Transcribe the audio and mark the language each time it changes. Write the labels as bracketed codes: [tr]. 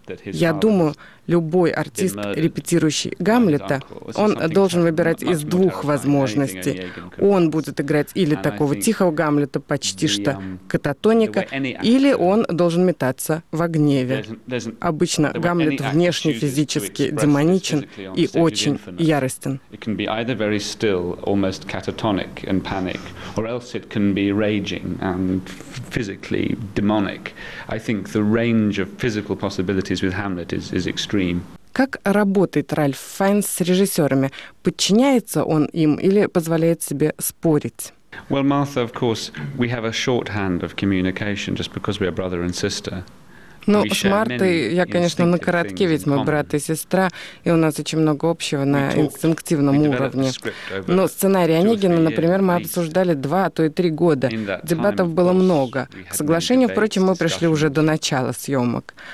[ru] Я думаю, любой артист, репетирующий Гамлета, он должен выбирать из двух возможностей. Он будет играть или такого тихого Гамлета, почти что кататоника, или он должен метаться в гневе. Обычно Гамлет внешне физически демоничен и очень яростен. [en] It can be either very still, almost catatonic and panic, or else it can be raging and physically demonic. I think the range of physical possibilities with Hamlet is extreme. [ru] Как работает Ральф Файнс с режиссерами? Подчиняется он им или позволяет себе спорить? [en] Well, Martha, of course, we have a shorthand of communication just because we are brother and sister. [ru] Ну, с Мартой я, конечно, на коротке, ведь мы брат и сестра, и у нас очень много общего на инстинктивном уровне. Но сценарий Онегина, например, мы обсуждали 2, а то и 3 года. Дебатов было много. К соглашению, впрочем, мы пришли уже до начала съемок.